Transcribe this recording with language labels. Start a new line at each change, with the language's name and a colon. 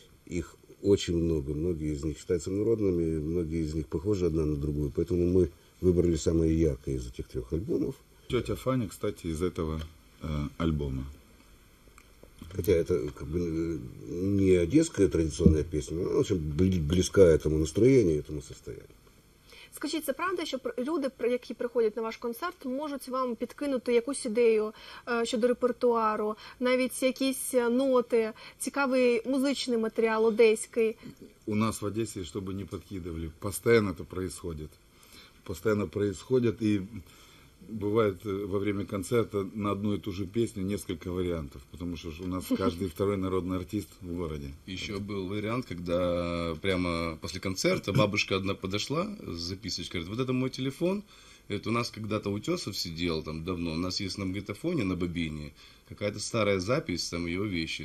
Russian: Их очень много, многие из них считаются народными, многие из них похожи одна на другую, поэтому мы выбрали самое яркое из этих трех альбомов. Тетя Фаня, кстати, из этого альбома. Хотя это как бы не одесская традиционная песня, но очень близка этому настроению, этому состоянию.
Ukrainian: Скажіть, це правда, що люди, які приходять на ваш концерт, можуть вам підкинути якусь ідею щодо репертуару, навіть якісь ноти, цікавий музичний матеріал одеський? У нас в Одесі, щоб не підкидували, постійно це відбувається. Постійно відбувається, і
Russian: бывает во время концерта на одну и ту же песню несколько вариантов, потому что у нас каждый второй народный артист в городе. Еще был вариант, когда прямо после концерта бабушка одна подошла с записочкой, говорит, вот это мой телефон. Это у нас когда-то Утесов сидел там давно, у нас есть на магнитофоне, на бобине, какая-то старая запись, там его вещи.